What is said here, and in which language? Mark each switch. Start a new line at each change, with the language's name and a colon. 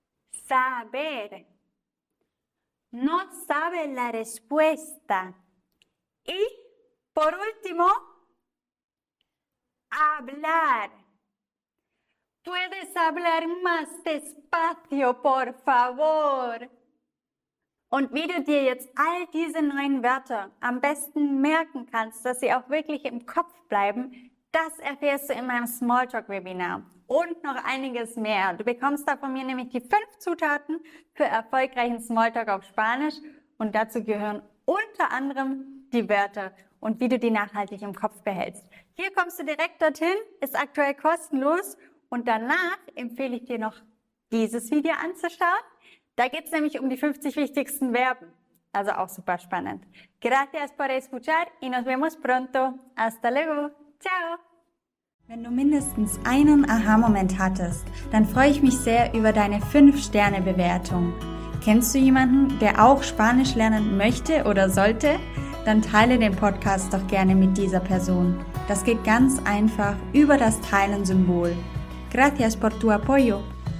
Spanish: Saber. No sabe la respuesta. Y por último, hablar. ¿Puedes hablar más despacio, por favor?
German: Und wie du dir jetzt all diese neuen Wörter am besten merken kannst, dass sie auch wirklich im Kopf bleiben, das erfährst du in meinem Smalltalk-Webinar. Und noch einiges mehr. Du bekommst da von mir nämlich die 5 Zutaten für erfolgreichen Smalltalk auf Spanisch. Und dazu gehören unter anderem die Wörter und wie du die nachhaltig im Kopf behältst. Hier kommst du direkt dorthin, ist aktuell kostenlos. Und danach empfehle ich dir noch, dieses Video anzuschauen. Da geht es nämlich um die 50 wichtigsten Verben. Also auch super spannend.
Spanish: Gracias por escuchar y nos vemos pronto. Hasta luego. Ciao.
German: Wenn du mindestens einen Aha-Moment hattest, dann freue ich mich sehr über deine 5-Sterne-Bewertung. Kennst du jemanden, der auch Spanisch lernen möchte oder sollte? Dann teile den Podcast doch gerne mit dieser Person. Das geht ganz einfach über das Teilen-Symbol.
Spanish: Gracias por tu apoyo.